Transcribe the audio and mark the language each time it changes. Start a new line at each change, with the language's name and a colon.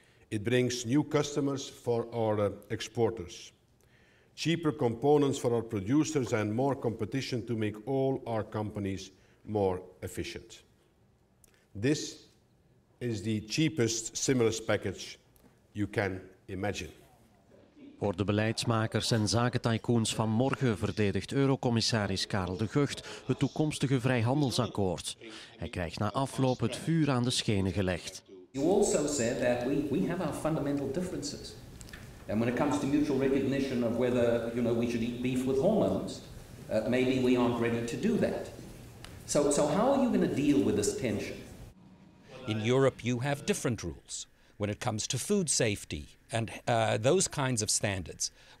English: It brings new customers for our exporters, cheaper components for our producers, and more competition to make all our companies more efficient. This is the cheapest stimulus package you can imagine.
Dutch: Voor de beleidsmakers en zakentycoons van morgen verdedigt Eurocommissaris Karel de Gucht het toekomstige vrijhandelsakkoord. Hij krijgt na afloop het vuur aan de schenen gelegd.
English: You also said that we have our fundamental differences. And when it comes to mutual recognition of whether, you know, we should eat beef with hormones, maybe we aren't ready to do that. So how are you going to deal with this tension? In Europe you have different rules when it comes to food safety and those kinds of standards.